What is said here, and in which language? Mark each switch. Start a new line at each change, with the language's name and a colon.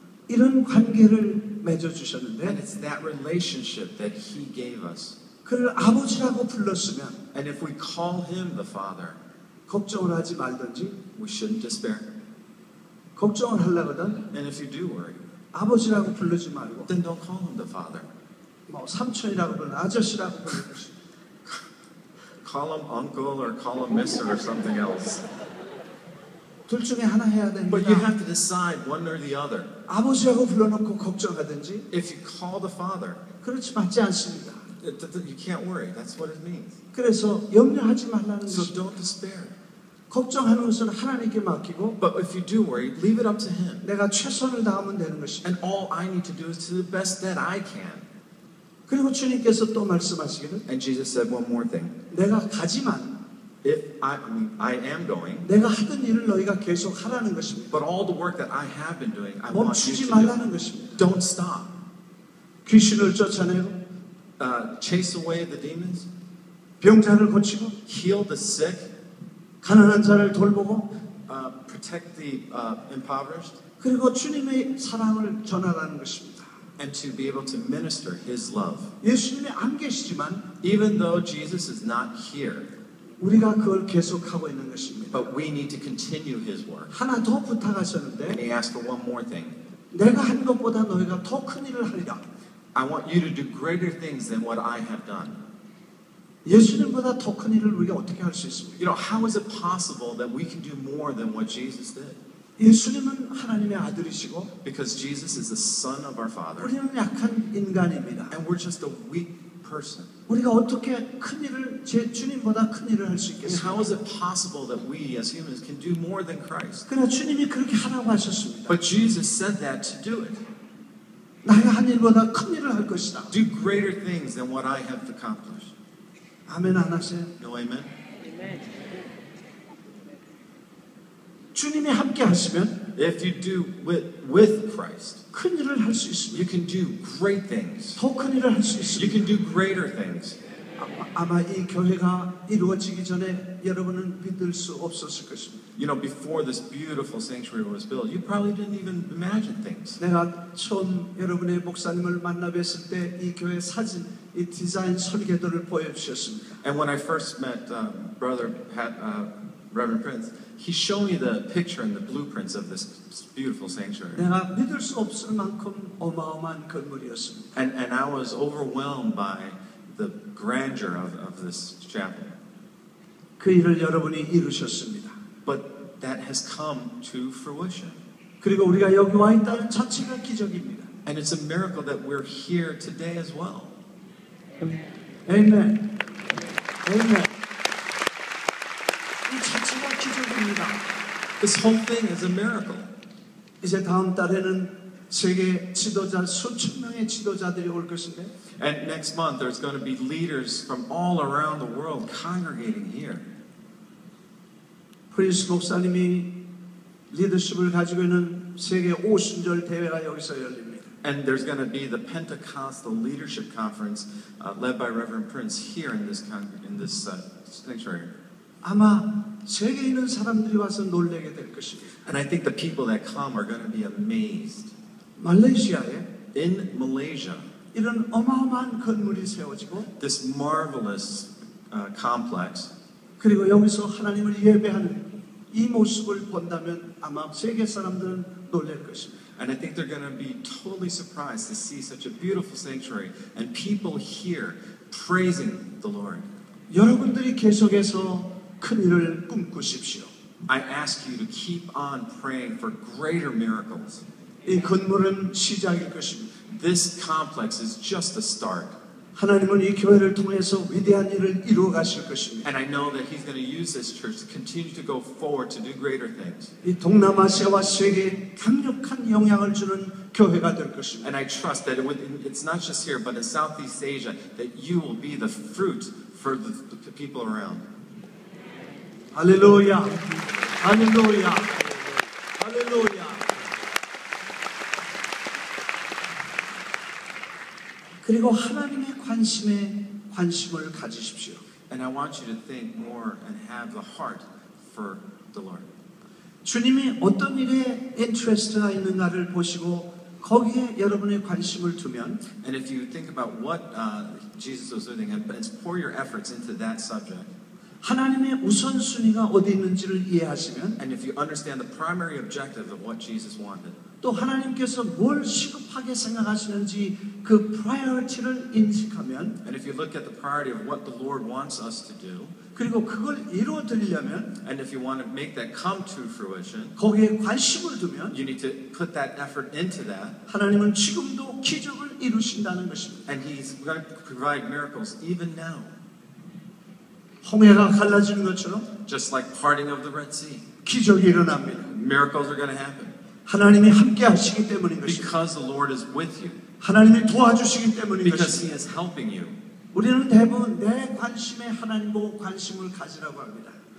Korean: 이런 관계를 맺어주셨는데
English: And it's that relationship that he gave us.
Korean: 그를 아버지라고 불렀으면
English: And if we call him the father,
Korean: 걱정을 하지 말든지
English: we shouldn't despair.
Korean: 걱정을 하려거든
English: And if you do worry,
Korean: 아버지라고 부르지 말고
English: then don't call him the father.
Korean: 뭐 삼촌이라고 부르든 아저씨라고 부르든지
English: call him uncle or call him mister or something else.
Korean: 둘 중에 하나 해야 됩니다.
English: But you have to decide one or the other.
Korean: 아버지라고 불러놓고 걱정하든지.
English: If you call the father.
Korean: 그렇지 맞지 않습니다.
English: You can't worry. That's what it means.
Korean: 그래서 염려하지 말라는
English: So don't despair.
Korean: 걱정하는 것은 하나님께 맡기고.
English: But if you do worry, leave it up to him.
Korean: 내가 최선을 다하면 되는 것이.
English: And all I need to do is to the best that I can.
Korean: 그리고 주님께서 또 말씀하시기를.
English: And Jesus said one more thing.
Korean: 내가 가지만.
English: If I am going,
Korean: 내가 하던 일을 너희가 계속 하라는 것입니다.
English: But all the work that I have been doing, I want you to do.
Korean: 멈추지 말라는 것입니다.
English: Don't stop.
Korean: 귀신을 쫓아내고,
English: chase away the demons.
Korean: 병자를 고치고,
English: heal the sick.
Korean: 가난한 자를 돌보고,
English: protect the impoverished.
Korean: 그리고 주님의 사랑을 전하라는 것입니다.
English: And to be able to minister His love.
Korean: 예수님이 안 계시지만,
English: even though Jesus is not here.
Korean: 우리가 그걸 계속하고 있는 것입니다.
English: But we need to continue his work.
Korean: 하나 더 부탁하셨는데
English: And he asked for one more thing.
Korean: 내가 한 것보다 너희가 더 큰 일을 하리라.
English: I want you to do greater things than what I have done.
Korean: 예수님보다 더 큰 일을 우리가 어떻게 할 수 있습니까?
English: You know, how is it possible that we can do more than what Jesus did?
Korean: 예수님은 하나님의 아들이시고
English: Because Jesus is the son of our father.
Korean: 우리는 약한 인간입니다.
English: And we're just a weak person.
Korean: 우리가 어떻게 큰 일을 제 주님보다 큰 일을 할 수 있겠어요?
English: How is it possible that we as humans can do more than Christ?
Korean: 그러나 주님이 그렇게 하라고 하셨습니다.
English: But Jesus said that to do it.
Korean: 나의 한 일보다 큰 일을 할 것이다.
English: Do greater things than what I have accomplished.
Korean: 아멘 안 하세요?
English: No, amen.
Korean: 주님이 함께 하시면
English: If you do with Christ,
Korean: 큰 일을 할 수 있습니다.
English: You can do great things.
Korean: 더 큰 일을 할 수 있습니다.
English: You can do greater things.
Korean: 아마 이 교회가 이루어지기 전에 여러분은 믿을 수 없었을 것입니다.
English: You know, before this beautiful sanctuary was built, you probably didn't even imagine things.
Korean: 내가 처음 여러분의 목사님을 만나 뵀을 때 이 교회 사진, 이 디자인 설계도를 보여주셨습니다.
English: And when I first met Reverend Prince, he showed me the picture and the blueprints of this beautiful sanctuary.
Korean: 내가 믿을 수 없을 만큼 어마어마한 건물이었습니다.
English: And I was overwhelmed by the grandeur of this chapel.
Korean: 그 일을 여러분이 이루셨습니다.
English: But that has come to fruition.
Korean: 그리고 우리가 여기 와 있다는 자체가 기적입니다.
English: And it's a miracle that we're here today as well.
Korean: Amen. Amen. 이 자체가 기적입니다.
English: This whole thing is a miracle.
Korean: 이제 다음 달에는 세계 지도자 수천 명의 지도자들이 올 것인데.
English: And next month there's going to be leaders from all around the world congregating here.
Korean: Prince 목사님이 리더십을 가지고 있는 세계 오순절 대회가 여기서 열립니다.
English: And there's going to be the Pentecostal Leadership Conference led by Reverend Prince here in this sanctuary.
Korean: 아마 세계 있는 사람들이 와서 놀래게 될 것입니다.
English: And I think the people that come are going to be amazed.
Korean: 말레이시아에
English: in Malaysia
Korean: 이런 어마어마한 건물이 세워지고
English: this marvelous complex
Korean: 그리고 여기서 하나님을 예배하는 이 모습을 본다면 아마 세계 사람들은 놀랄 것입니다.
English: And I think they're going to be totally surprised to see such a beautiful sanctuary and people here praising the Lord.
Korean: 여러분들이 계속해서 큰 일을 꿈꾸십시오.
English: I ask you to keep on praying for greater miracles.
Korean: 이 건물은 시작일 것입니다.
English: This complex is just a start.
Korean: 하나님은 이 교회를 통해서 위대한 일을 이루어 가실 것입니다.
English: And I know that He's going to use this church to continue to go forward to do greater things.
Korean: 이 동남아시아와 세계에 강력한 영향을 주는 교회가 될 것입니다.
English: And I trust that it's not just here, but in Southeast Asia, that you will be the fruit for the people around. Hallelujah! Hallelujah! Hallelujah!
Korean: 그리고 하나님의 관심에 관심을 가지십시오.
English: And I want you to think more and have the heart for the Lord.
Korean: 주님이 어떤 일에 interest가 있는가를 보시고 거기에 여러분의 관심을 두면
English: And if you think about what Jesus was doing and pour your efforts into that subject
Korean: 하나님의 우선순위가 어디 있는지를 이해하시면
English: And if you understand the primary objective of what Jesus wanted
Korean: 또 하나님께서 뭘 시급하게 생각하시는지 그 priority를 인식하면
English: And if you look at the priority of what the Lord wants us to do
Korean: 그리고 그걸 이루어 드리려면
English: And if you want to make that come to fruition
Korean: 거기에 관심을 두면
English: You need to put that effort into that
Korean: 하나님은 지금도 기적을 이루신다는 것입니다.
English: And He's going to provide miracles even now.
Korean: 홍해가 갈라지는 것처럼
English: Just like parting of the Red Sea.
Korean: 기적이 일어납니다.
English: Miracles are going to happen.
Korean: 하나님이 함께 하시기 때문인 것입니다.
English: Because the Lord is with you.
Korean: 하나님이 도와주시기 때문인
English: Because
Korean: 것입니다.
English: He is helping you.
Korean: 우리는 대부분 내 관심에 하나님 보고 관심을 가지라고 합니다.